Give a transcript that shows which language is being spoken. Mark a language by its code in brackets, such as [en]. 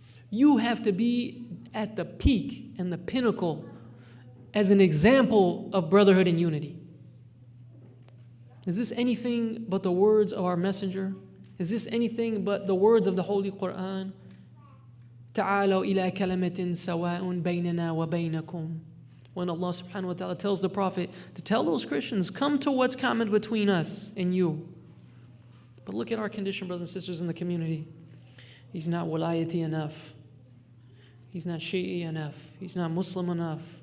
[en] You have to be at the peak and the pinnacle as an example of brotherhood and unity. Is this anything but the words of our messenger? Is this anything but the words of the Holy Quran? [ar] تعالوا إلى كلمة سواء بيننا وبينكم. [en] When Allah subhanahu wa ta'ala tells the Prophet to tell those Christians, come to what's common between us and you. But look at our condition, brothers and sisters in the community. He's not walayati enough. He's not Shi'i enough. He's not Muslim enough.